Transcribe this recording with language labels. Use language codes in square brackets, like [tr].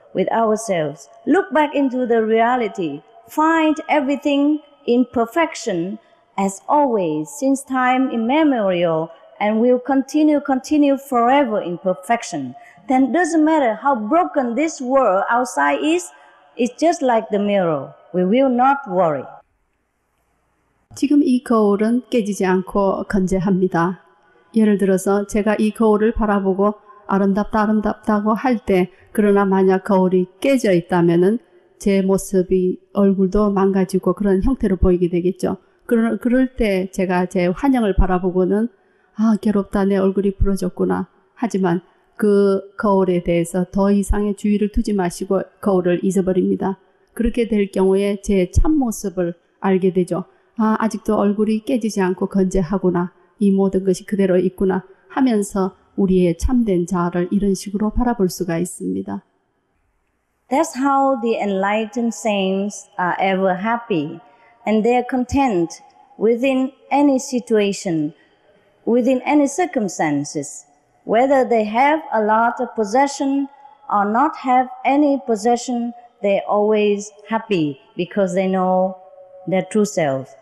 [en] with ourselves, look back into the reality, find everything in perfection as always since time immemorial, and will continue forever in perfection, then doesn't matter how broken this world outside is, it's just like the mirror. We will not worry. [ko] 지금 이 거울은 깨지지 않고 건재합니다. 예를 들어서 제가 이 거울을 바라보고 아름답다 아름답다고 할 때, 그러나 만약 거울이 깨져 있다면은 제 모습이 얼굴도 망가지고 그런 형태로 보이게 되겠죠. 그럴 때 제가 제 환영을 바라보고는 아 괴롭다 내 얼굴이 부러졌구나 하지만 그 거울에 대해서 더 이상의 주의를 두지 마시고 거울을 잊어버립니다. 그렇게 될 경우에 제 참모습을 알게 되죠. 아 아직도 얼굴이 깨지지 않고 건재하구나 이 모든 것이 그대로 있구나 하면서 우리의 참된 자아를 이런 식으로 바라볼 수가 있습니다. [en] That's how the enlightened saints are ever happy and they're content within any situation, within any circumstances, whether they have a lot of possession or not have any possession, they're always happy because they know their true self.